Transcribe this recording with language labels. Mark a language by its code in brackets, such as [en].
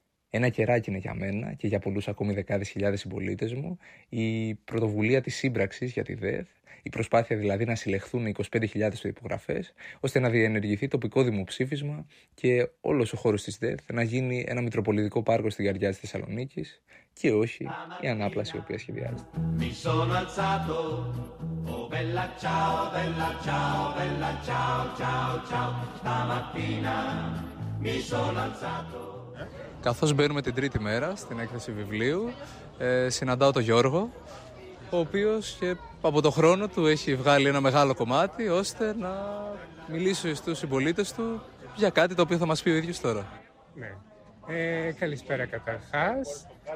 [el] Ένα κεράκι είναι για μένα και για πολλούς ακόμη δεκάδες χιλιάδες συμπολίτες μου η πρωτοβουλία της σύμπραξης για τη ΔΕΘ, η προσπάθεια δηλαδή να συλλεχθούν 25.000 υπογραφές, ώστε να διενεργηθεί τοπικό δημοψήφισμα και όλος ο χώρος της ΔΕΘ να γίνει ένα μητροπολιτικό πάρκο στην καρδιά της Θεσσαλονίκης και όχι η ανάπλαση η οποία σχεδιάζεται. [it] Mi sono alzato, oh bella ciao, bella ciao, bella ciao, ciao, ciao, stamattina mi sono alzato. [el] Καθώς μπαίνουμε την τρίτη μέρα στην έκθεση βιβλίου, συναντάω τον Γιώργο, ο οποίος και από το χρόνο του έχει βγάλει ένα μεγάλο κομμάτι ώστε να μιλήσει στους συμπολίτες του για κάτι το οποίο θα μας πει ο ίδιος τώρα. Ναι. Καλησπέρα καταρχάς.